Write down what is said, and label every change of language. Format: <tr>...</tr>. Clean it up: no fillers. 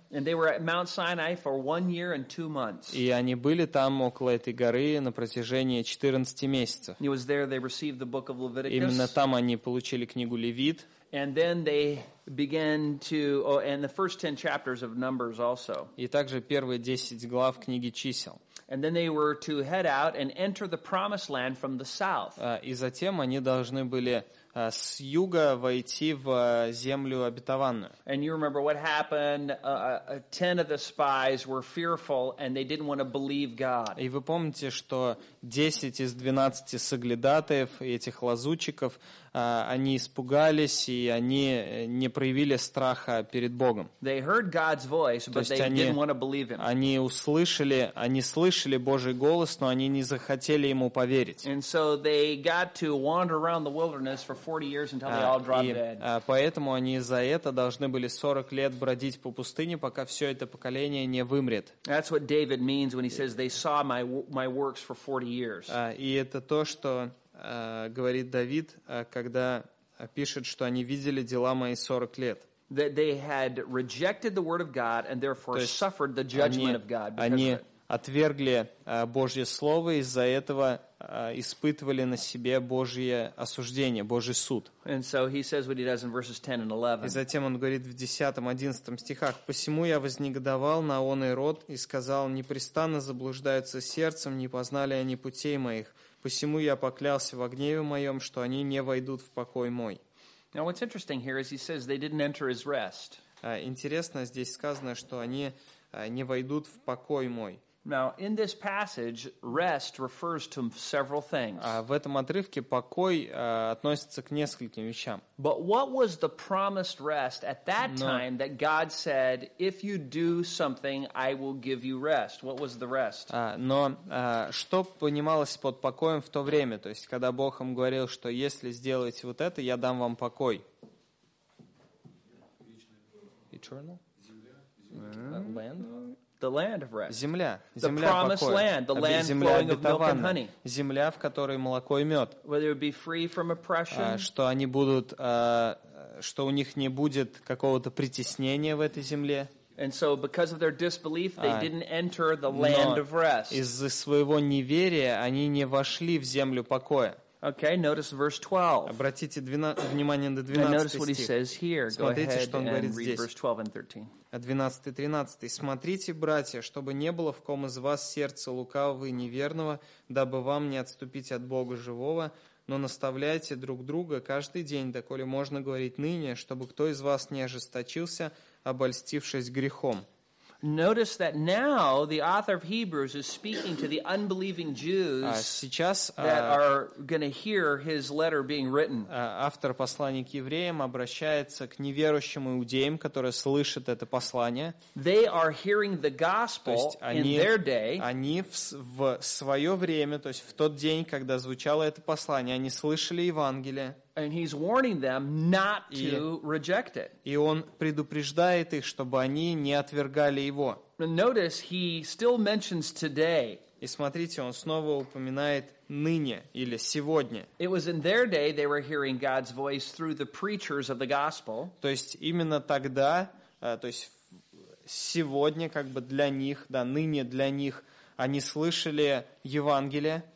<en>And they were at Mount Sinai for 1 year and 2 months.</en> <ru>И они были там около этой горы на протяжении 14 месяцев.</ru> <en>It was there they received the book of Leviticus.</en> <ru>Именно там они получили книгу Левит.</ru> <en>And then they began to, and the first 10 chapters of Numbers also.</en> <ru>И также первые 10 глав книги Чисел.</ru> <en>And then they were to head out and enter the promised land from the south.</en> <ru>И затем они должны были с юга войти в землю обетованную.</ru> <en>And you remember what happened? 10 of the spies were fearful and they didn't want to believe God.</en> <ru>И вы помните, что 10 из 12 соглядатаев этих лазутчиков, они испугались и они не проявили страха перед Богом.</ru> <en>They heard God's voice, but they didn't want to believe him.</en> <ru>Они услышали, они слышали Божий голос, но они не захотели ему поверить.</ru> <en>And so they got to wander around the wilderness for 40 years until they all dropped dead.</en> <ru>Поэтому они за это должны были 40 лет бродить по пустыне, пока все это поколение не вымрет.</ru> <en>That's what David means when he says they saw my works for 40 years.</en> <ru>И это то, что говорит Давид, когда пишет, что они видели дела мои 40 лет.</ru> <en>That they had rejected the word of God and therefore suffered the judgment of God.</en> <ru>Они отвергли Божье слово, из-за этого испытывали на себе Божье осуждение, Божий суд.</ru> <en>And so he says what he does in verses 10 and 11.</en> <ru>И затем он говорит в 10-11 стихах: «Посему я вознегодовал на оный род и сказал, непрестанно заблуждаются сердцем, не познали они путей моих. Посему я поклялся во гневе моем, что они не войдут в покой мой».</ru> <en>Now what's interesting here is he says they didn't enter his rest.</en> <ru>Интересно, здесь сказано, что они не войдут в покой мой.</ru> <en>Now, in this passage, rest refers to several things.</en> <ru>В этом отрывке покой относится к нескольким вещам.</ru> <en>But what was the promised rest at that time that God said, if you do something, I will give you rest? What was the rest?</en> <ru>Но что понималось под покоем в то время? То есть, когда Бог им говорил, что если сделаете вот это, я дам вам покой.</ru> <en>Eternal? Land? The land of rest.</en> <ru>Земля.</ru> <en>The</en> <ru>земля</ru> <en>promised</en> <ru>покоя.</ru> <en>Land. The land flowing of milk and honey.</en> <ru>Земля, в которой молоко и мед.</ru> <en>Where they would be free from oppression.</en> <ru>Что они будут, что у них не будет какого-то притеснения в этой земле.</ru> <en>And so because of their disbelief, they didn't enter the land of rest.</en> <ru>Из-за своего неверия они не вошли в землю покоя.</ru> <en>Okay, notice verse 12.</en> <ru>Обратите внимание на 12 стих. Смотрите, что он говорит здесь. 12 и 13. «Смотрите, братья, чтобы не было в ком из вас сердца лукавого и неверного, дабы вам не отступить от Бога живого, но наставляйте друг друга каждый день, доколе можно говорить ныне, чтобы кто из вас не ожесточился, обольстившись грехом».</ru> <en>Notice that now the author of Hebrews is speaking to the unbelieving Jews</en> <ru>сейчас,</ru> <en>that are going to hear his letter being written.</en> <ru>Автор послания к евреям обращается к неверующим иудеям, которые слышат это послание.</ru> <en>They are hearing the gospel</en> <ru>они,</ru> <en>in their day.</en> <ru>Они в свое время, то есть в тот день, когда звучало это послание, они слышали Евангелие.</ru> <en>And he's warning them not to reject it.</en> <ru>И он предупреждает их, чтобы они не отвергали его.</ru> <en>Notice he still mentions today.</en> <ru>И смотрите, он снова упоминает ныне или сегодня.</ru> <en>It was in their day they were hearing God's voice through the preachers of the gospel.</en> <ru>То есть именно тогда, то есть сегодня как бы для них, да, ныне для них они слышали Евангелие.</ru>